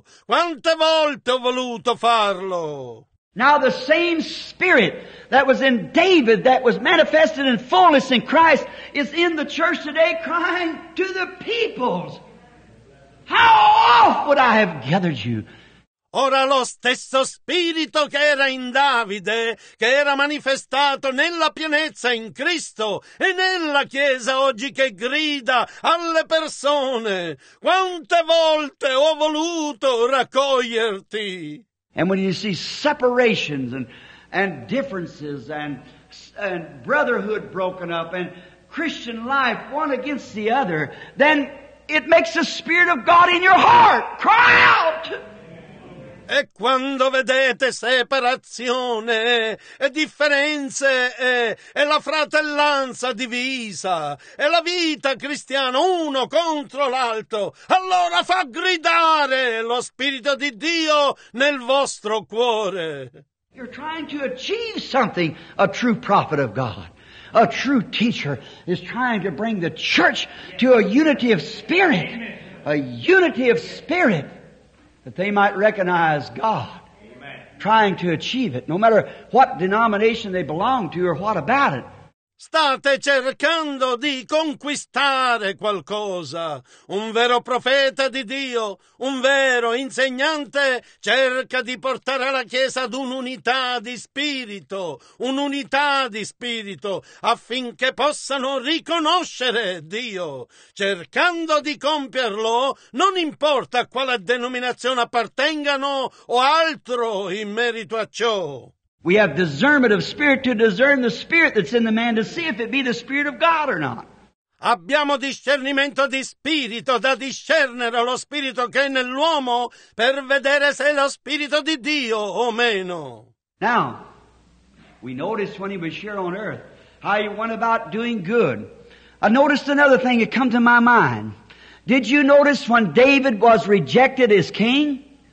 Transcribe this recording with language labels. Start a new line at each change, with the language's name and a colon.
Italian: Quante volte ho voluto farlo.
English: Now the same Spirit that was in David, that was manifested in fullness in Christ, is in the church today crying to the peoples. How oft would I have gathered you?
Italian: Ora lo stesso Spirito che era in Davide, che era manifestato nella pienezza in Cristo e nella Chiesa oggi, che grida alle persone, quante volte ho voluto raccoglierti.
English: And when you see separations and differences and and brotherhood broken up and Christian life one against the other, then it makes the Spirit of God in your heart cry out. E quando vedete separazione e differenze e la fratellanza divisa e la vita cristiana uno contro l'altro, allora fa gridare lo Spirito di Dio nel vostro cuore. You're trying to achieve something, a true prophet of God. A true teacher is trying to bring the church to a unity of spirit. A unity of spirit. That they might recognize God. Amen. Trying to achieve it, no matter what denomination they belong to or what about it.
Italian: State cercando di conquistare qualcosa. Un vero profeta di Dio, un vero insegnante, cerca di portare la Chiesa ad un'unità di spirito. Un'unità di spirito affinché possano riconoscere Dio. Cercando di compierlo, non importa a quale denominazione appartengano o altro in merito a ciò.
English: We have discernment of spirit to discern the spirit that's in the man to see if it be the spirit of God or not.
Italian: Abbiamo discernimento di spirito da discernere lo spirito che è nell'uomo per vedere se è lo spirito di Dio o meno.
English: Now, we noticed when he was here on earth how he went about doing good. I noticed another thing that come to my mind. Did you notice when David was rejected as king?